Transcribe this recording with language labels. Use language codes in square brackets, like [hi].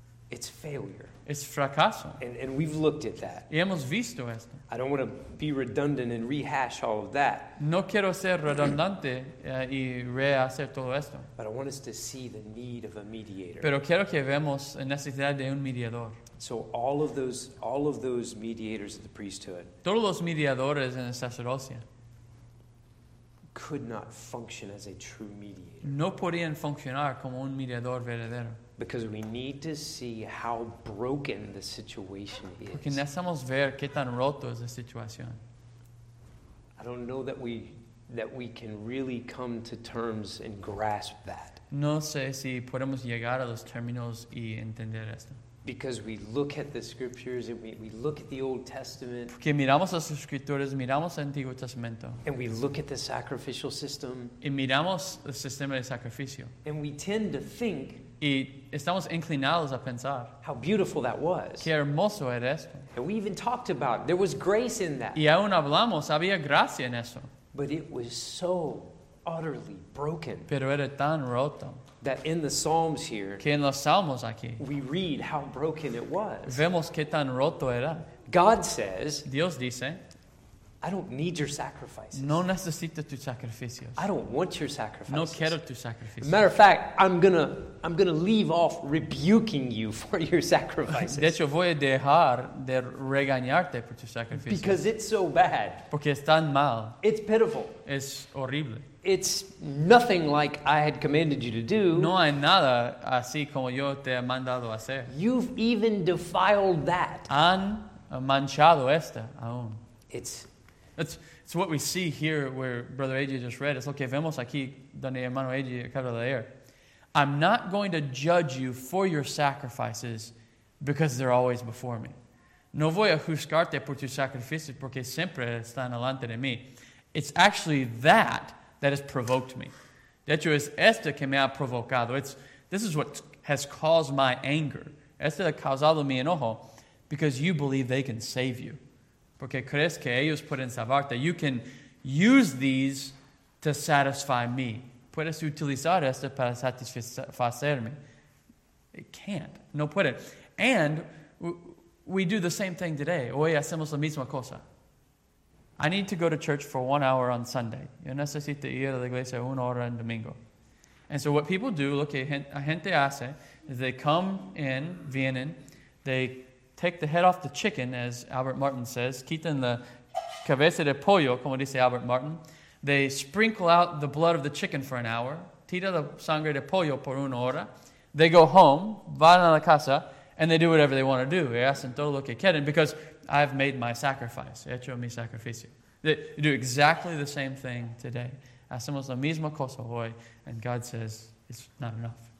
[en] It's failure. [es] Es fracaso. [en] And we've looked at that. [es] Y hemos visto esto. [en] I don't want to be redundant and rehash all of that. [es] No quiero ser redundante y rehacer todo esto. [en] But I want us to see the need of a mediator. [es] Pero quiero que veamos la necesidad de un mediador. [en] So all of those mediators of the priesthood. [es] Todos los mediadores en el sacerdocio. [en] Could not function as a true mediator. [es] No podían funcionar como un mediador verdadero. [en] Because we need to see how broken the situation is. [es] Porque necesitamos ver qué tan roto es la situación. [en] I don't know that we can really come to terms and grasp that. [es] No sé si podemos llegar a los términos y entender esto. [en] Because we look at the scriptures and we look at the Old Testament. [es] Porque miramos las escrituras, miramos el Antiguo Testamento. [en] And we look at the sacrificial system. [es] Y miramos el sistema de sacrificio. [en] And we tend to think. [es] Y estamos inclinados a pensar. [en] How beautiful that was. [es] Qué hermoso era esto. [en] And we even talked about it. There was grace in that. [es] Y aún hablamos, había gracia en eso. [en] But it was so utterly broken. [es] Pero era tan roto. [en] That in the Psalms here. [es] Que en los Salmos aquí. [en] We read how broken it was. [es] Vemos qué tan roto era. [en] God says. [es] Dios dice. [en] I don't need your sacrifices. [es] No necesito tus sacrificios. [en] I don't want your sacrifices. [es] No quiero tus sacrificios. [en] Matter of fact, I'm gonna leave off rebuking you for your sacrifices. [es] De hecho, voy a dejar de regañarte por tus sacrificios. [en] Because it's so bad. [es] Porque es tan mal. [en] It's pitiful. [es] Es horrible. [en] It's nothing like I had commanded you to do. [es] No hay nada así como yo te he mandado a hacer. [en] You've even defiled that. [es] Han manchado esta aún. [en] It's what we see here where Brother AJ just read. It's [es] lo que vemos aquí donde hermano AJ acaba de leer. [en] I'm not going to judge you for your sacrifices because they're always before me. [es] No voy a juzgarte por tus sacrificios porque siempre están delante de mí. [en] It's actually that has provoked me. [es] De hecho, es esto que me ha provocado. [en] This is what has caused my anger. [es] Esto ha causado mi enojo [en] because you believe they can save you. [es] Porque crees que ellos pueden salvarte. [en] You can use these to satisfy me. [es] Puedes utilizar esto para satisfacerme. [en] It can't. [es] No puede. [en] And we do the same thing today. [es] Hoy hacemos la misma cosa. [en] I need to go to church for 1 hour on Sunday. [es] Yo necesito ir a la iglesia 1 hora en domingo. [en] And so what people do, [es] lo que la gente hace, [en] is they come in, [es] vienen, [en] they take the head off the chicken, as Albert Martin says. [es] Quiten la cabeza de pollo, como dice Albert Martin. [en] They sprinkle out the blood of the chicken for an hour. [es] Tira la sangre de pollo por una hora. [en] They go home, [es] van a la casa, [en] and they do whatever they want to do. [es] Y hacen todo lo que quieren, [en] because I've made my sacrifice. [es] He hecho mi sacrificio. [en] They do exactly the same thing today. [es] Hacemos la misma cosa hoy, [en] and God says, it's not enough.